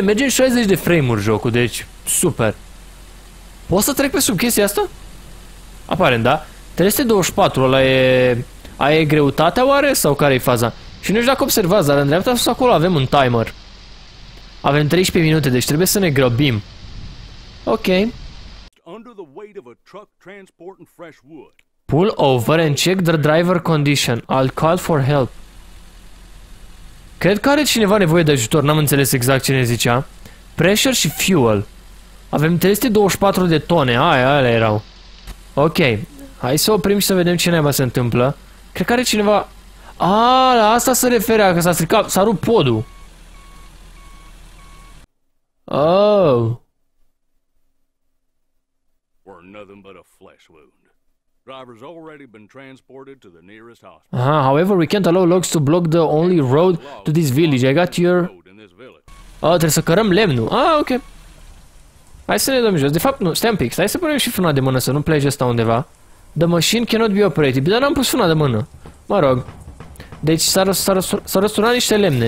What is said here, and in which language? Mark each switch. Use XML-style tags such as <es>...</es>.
<ro>Merge în 60 de frame-uri jocul. Deci, super. Poți să trec pe sub chestia asta? Aparent, da. 324, ăla e... Aia e greutatea oare? Sau care e faza? Și nu știu dacă observați, dar în dreapta sus acolo avem un timer. Avem 13 minute, deci trebuie să ne grăbim. Ok.</ro> <en>Under the weight of a truck transporting fresh wood. Pull over and check the driver condition. I'll call for help.</en> <ro>Cred că are cineva nevoie de ajutor. N-am înțeles exact ce ne zicea. Pressure și fuel. Avem 324 de tone, alea erau. Ok, hai să oprim și să vedem ce naiba se întâmplă. Cred că are cineva... Aaa, la asta se referea, că s-a stricat, s-a rupt podul. Oh.</ro> <en>We're nothing but a flesh wound. Driver's already been transported to the nearest hospital. Aha, however, we can't allow logs to block the only road to this village. I got your...</en> <ro>Oh, trebuie să cărăm lemnul. Ah, ok. Hai să ne dăm jos. De fapt, nu, stai un pic. Hai să punem și frâna de mână să nu plece asta undeva.</ro> <en>The machine cannot be operated.</en> <ro>Dar n-am pus frâna de mână. Mă rog. Deci s-a răsturnat niște lemne.</ro>